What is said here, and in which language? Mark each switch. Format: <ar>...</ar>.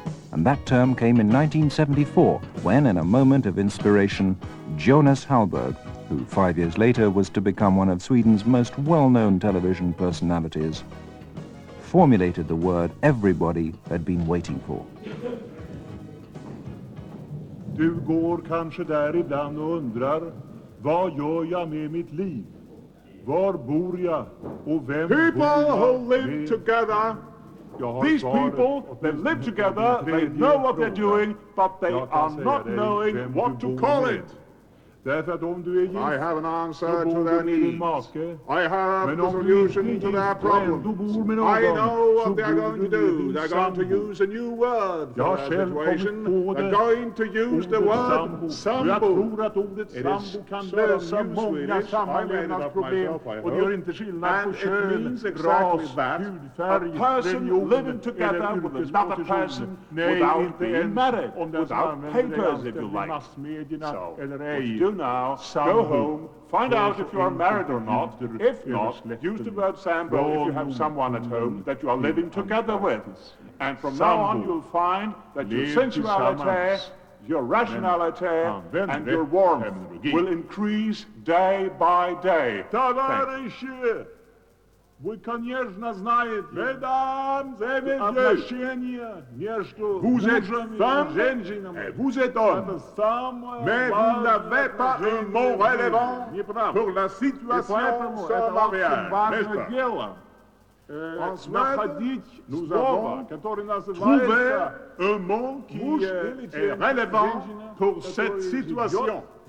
<en>And that term came in 1974, when, in a moment of inspiration, Jonas Hallberg, who 5 years later was to become one of Sweden's most well-known television personalities, formulated the word everybody had been waiting for.</en> <sv>Du går kanske där ibland och undrar, vad gör jag med mitt liv? Var bor jag och vem</sv> <en>People who live together, these people, they live together, they know what they're doing, but they are not knowing what to call it.</en> <sv>Därför att om du är gift,</sv> <en>I have an answer to their needs. I have a solution to their problems. I know what they are going to do. They're going to use a new word for their situation. They're going to use the word sambo. It is so new Swedish. I made it up myself, I hope. And it means exactly that. A person living together with another person without being married, without papers, if you like. So, now, go home, find out if you are married or not. If not, use the word sambo if you have someone at home that you are living together with. And from now on, you'll find that your sensuality, your rationality, and your warmth will increase day by day.</en> <ru>Товарищи, вы, конечно, знаете, мадам, отношения между мужем и женщинами.</ru> <fr>Mais vous n'avez pas un mot relevant pour la situation sur la mariage. En Suède, nous avons trouvé un mot qui est relevant pour cette situation.</fr>